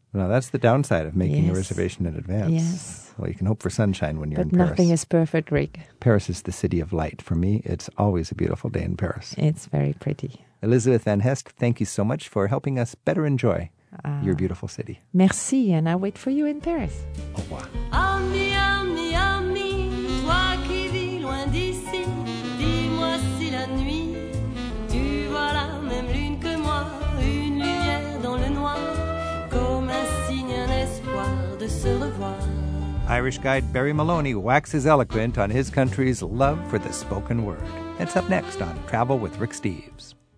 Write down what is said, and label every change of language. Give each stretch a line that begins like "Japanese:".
English: Now, that's the downside of making a reservation in advance. Yes. Well, you can hope for sunshine when you're in Paris. But nothing is perfect, Rick. Paris is the city of light. For me, it's always a beautiful day in Paris. It's very pretty. Elizabeth Van Hest, thank you so much for helping us better enjoy your beautiful city. Merci, and I wait for you in Paris.
French: Au revoir. Ami, ami, ami, toi qui vis loin d'ici, dis-moi si la nuit, tu vois la même lune que moi, une lumière dans le noir, comme un signe, un espoir de se revoir.
English: Irish guide Barry Maloney waxes eloquent on his country's love for the spoken word. It's up next on Travel with Rick Steves.